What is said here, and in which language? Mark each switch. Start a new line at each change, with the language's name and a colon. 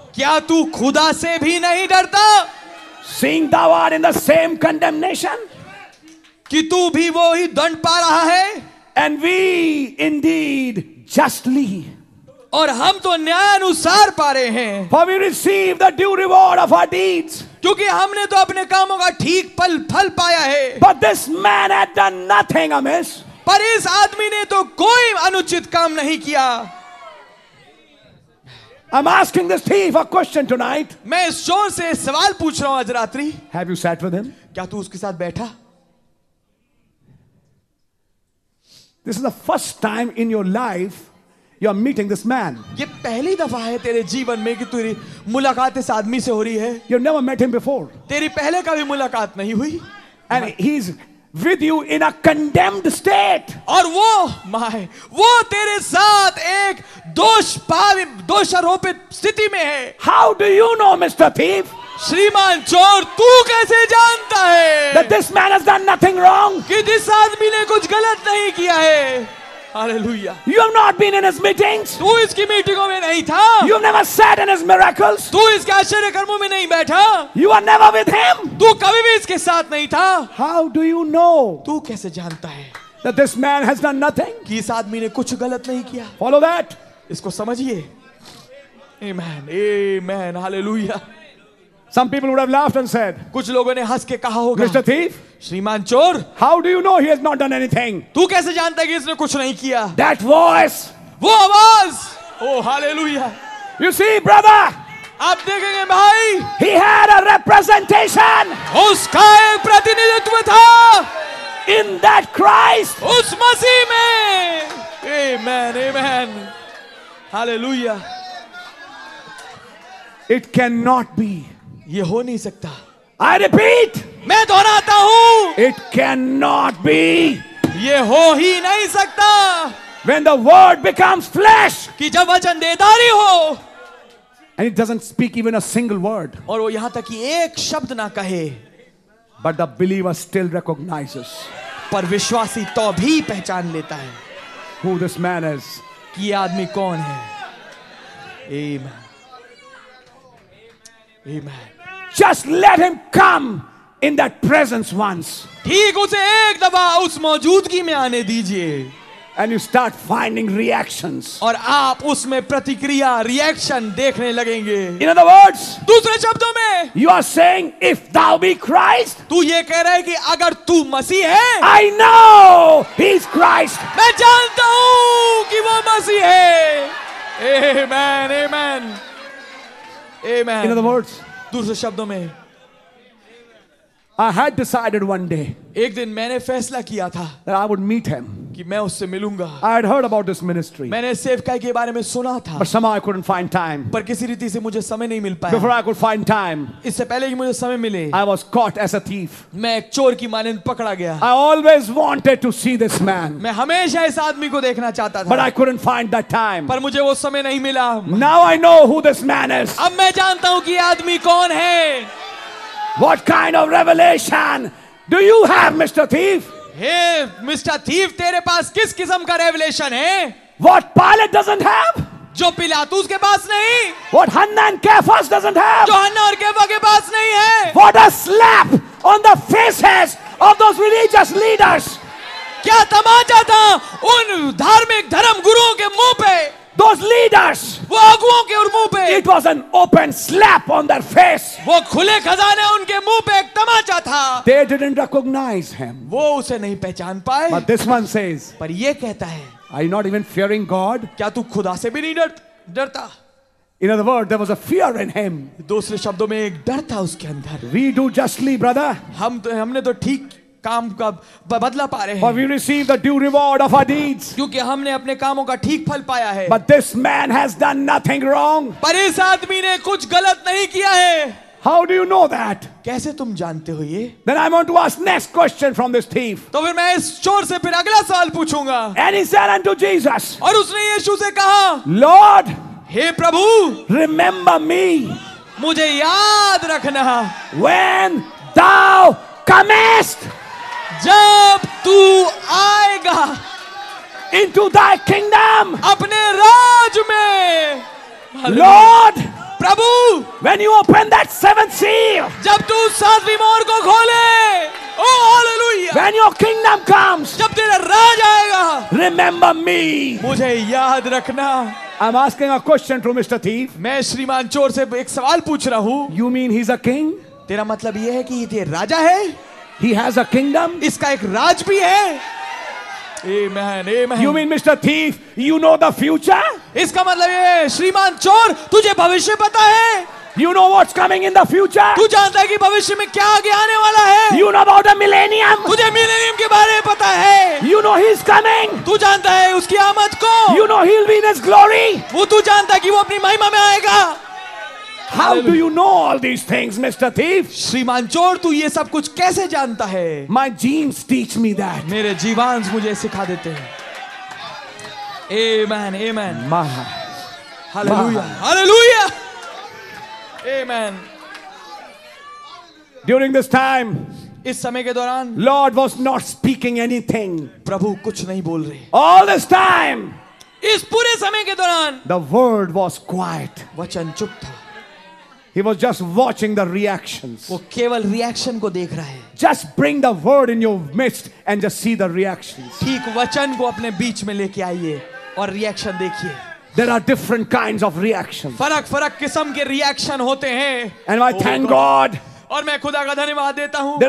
Hindi: क्या तू खुदा से भी नहीं डरता?
English: Seeing thou art in the same condemnation.
Hindi: कि तू भी वो ही दंड पा रहा है.
English: And we indeed justly.
Hindi: और हम तो न्याय अनुसार पा रहे हैं.
English: For we receive the due reward of our deeds.
Hindi: क्योंकि हमने तो अपने कामों का ठीक फल फल पाया है.
English: But this man had done nothing amiss.
Hindi: पर इस आदमी ने तो कोई अनुचित काम नहीं किया.
English: I'm asking this thief a question tonight.
Hindi: मैं इस चोर से सवाल पूछ रहा हूं आज रात्रि.
English: Have you sat with him?
Hindi: क्या तू उसके साथ बैठा?
English: This is the first time in your life you are meeting this man.
Hindi: ये पहली दफा है तेरे जीवन में कि तेरी मुलाकात इस आदमी से हो रही है.
English: You never met him before.
Hindi: तेरी पहले कभी मुलाकात नहीं हुई.
English: And he is with you in a condemned state.
Hindi: और वो माय वो तेरे साथ एक दोषारोपित स्थिति में है.
English: How do you know, Mr. Thief?
Hindi: श्रीमान चोर तू कैसे जानता है?
English: That this man has done nothing wrong.
Hindi: कि इस आदमी ने कुछ गलत नहीं किया है.
English: Hallelujah. You have not been in his meetings.
Hindi: तू इसकी मीटिंगों में नहीं था.
English: You have never sat in his miracles.
Hindi: तू इसके आश्चर्य कर्मों में नहीं बैठा.
English: You are never with him.
Hindi: तू कभी भी इसके साथ नहीं था.
English: How do you know?
Hindi: तू कैसे जानता है?
English: That this man has done nothing.
Hindi: कि इस आदमी ने कुछ गलत नहीं किया.
English: Follow that.
Hindi: इसको समझिए. Amen. Amen. Hallelujah.
English: Some people would have laughed and said,
Hindi: कुछ लोगों ने हंस के कहा होगा,
English: Mr. Thief,
Hindi: श्रीमान चोर,
English: How do you know he has not done anything?
Hindi: तू कैसे जानता है कि इसने कुछ नहीं किया?
English: That voice,
Hindi: वो आवाज़, Oh hallelujah!
English: You see, brother,
Hindi: आप देखेंगे भाई,
English: He had a representation,
Hindi: उसका एक प्रतिनिधित्व था,
English: In that Christ,
Hindi: उस मसीह में, Amen, Amen, Hallelujah!
English: It cannot be.
Hindi: ये हो नहीं सकता.
English: I repeat,
Hindi: मैं दोहराता हूं.
English: It cannot be.
Hindi: ये हो ही नहीं सकता.
English: When the word becomes flesh,
Hindi: कि जब वचन देहधारी हो.
English: And it doesn't speak even a single word.
Hindi: और वो यहां तक कि एक शब्द ना कहे.
English: But the believer still recognizes.
Hindi: पर विश्वासी तो भी पहचान लेता है.
English: Who this man is.
Hindi: कि ये आदमी कौन है. Amen.
English: Amen. Just let him come in that presence once.
Hindi: ठीक उसे एक दफा उस मौजूदगी में आने दीजिए.
English: And you start finding reactions.
Hindi: और आप उसमें प्रतिक्रिया रिएक्शन देखने लगेंगे.
English: In other words,
Hindi: दूसरे शब्दों में,
English: you are saying, if thou be Christ,
Hindi: तू ये कह रहा है कि अगर तू मसीह है,
English: I know he is Christ.
Hindi: मैं जानता हूँ कि वो मसीह है.
English: Amen. Amen. Amen. In other words,
Hindi: दूसरे शब्दों में,
English: I had decided one day,
Hindi: एक दिन मैंने फैसला किया था,
English: that I would meet him,
Hindi: कि मैं उससे मिलूंगा.
English: I had heard about this ministry,
Hindi: मैंने सेवकाई के बारे में सुना था,
English: but somehow I couldn't find time,
Hindi: पर किसी रीति से मुझे समय नहीं मिल पाया.
English: Before I could find time,
Hindi: इससे पहले कि मुझे समय मिले,
English: I was caught as a thief,
Hindi: मैं एक चोर की मानिंद पकड़ा गया.
English: I always wanted to see this man,
Hindi: मैं हमेशा इस आदमी को देखना चाहता था,
English: but I couldn't find that time,
Hindi: पर मुझे वो समय नहीं मिला.
English: Now I know who this man is.
Hindi: अब मैं जानता हूँ कि आदमी कौन है.
English: What kind of revelation do you have, Mr. Thief?
Hindi: Mister thief, तेरे पास किस किस्म का रेवलेशन है?
English: What Pilate doesn't have?
Hindi: जो पिलातुस के पास नहीं?
English: What Hanna and Caiaphas doesn't have?
Hindi: जो हन्ना और कैफा के पास नहीं है?
English: What a slap on the faces of those religious leaders!
Hindi: क्या तमाचा था उन धार्मिक धर्म गुरुओं के मुंह पे?
English: Those leaders,
Hindi: वो अगुओं के और मुंह पे,
English: it was an open slap on their face.
Hindi: वो खुले खजाने उनके मुंह पे एक तमाचा था.
English: They didn't recognize him.
Hindi: वो उसे नहीं पहचान पाए.
English: But this one says,
Hindi: पर ये कहता है,
English: are you not even fearing God?
Hindi: क्या तू खुदा से भी नहीं डरता?
English: In other words, there was a fear in him.
Hindi: दूसरे शब्दों में एक डर था उसके अंदर.
English: We do justly, brother.
Hindi: हमने तो ठीक काम का बदला पा रहे हैं।
English: But we receive the due reward of our deeds.
Hindi: क्योंकि हमने अपने कामों का ठीक फल पाया है।
English: But this man has done nothing wrong.
Hindi: पर इस आदमी ने कुछ गलत नहीं किया है।
English: How do you know that?
Hindi: कैसे तुम जानते हो ये?
English: Then I want to ask next question from this thief.
Hindi: तो फिर मैं इस चोर से फिर अगला सवाल पूछूंगा।
English: And he said unto Jesus.
Hindi: और उसने यीशु से कहा,
English: Lord,
Hindi: हे प्रभु,
English: remember me.
Hindi: मुझे याद रखना।
English: When thou comest.
Hindi: जब तू आएगा
English: into thy kingdom,
Hindi: अपने राज में,
English: Lord,
Hindi: Prabhu,
English: when you open that seventh seal,
Hindi: जब तू सातवीं मोहर को खोले, oh hallelujah,
English: when your kingdom comes,
Hindi: जब तेरा राज आएगा,
English: remember me,
Hindi: मुझे याद रखना.
English: I'm asking a question to Mr. Thief.
Hindi: मैं श्रीमान चोर से एक सवाल पूछ रहा हूँ.
English: You mean he's a king?
Hindi: तेरा मतलब ये है कि ये राजा है?
English: He has a kingdom.
Hindi: इसका एक राज भी है. Amen, amen.
English: You mean Mr. Thief? You know the future?
Hindi: इसका मतलब ये श्रीमान चोर, तुझे भविष्य पता है?
English: You know what's coming in the future?
Hindi: तू जानता है कि भविष्य में क्या आगे आने वाला है?
English: You know about the millennium?
Hindi: तुझे मिलेनियम के बारे में पता है?
English: You know he's coming?
Hindi: तू जानता है उसकी आमद को?
English: You know he'll be in his glory?
Hindi: वो तू जानता है कि वो अपनी महिमा में आएगा?
English: How do you know all these things, Mr. Thief?
Hindi: श्रीमान चोर, तू ये सब कुछ कैसे जानता है?
English: My genes teach me that.
Hindi: मेरे जीवांश मुझे सिखा देते हैं.
English: Amen, amen. Hallelujah. Hallelujah. Amen. During this time,
Hindi: इस समय के दौरान,
English: Lord was not speaking anything.
Hindi: प्रभु कुछ नहीं बोल रहे.
English: All this time,
Hindi: इस पूरे समय के दौरान,
English: the word was quiet.
Hindi: वचन चुप था.
English: He was just watching the reactions.
Hindi: वो केवल रिएक्शन को देख रहा है.
English: Just bring the word in your midst and just see the reactions.
Hindi: ठीक वचन को अपने बीच में लेके आइए और रिएक्शन देखिए.
English: There are different kinds of reactions.
Hindi: फरक फरक किस्म के रिएक्शन होते हैं.
English: And I thank God.
Hindi: और मैं खुदा का धन्यवाद देता हूँ.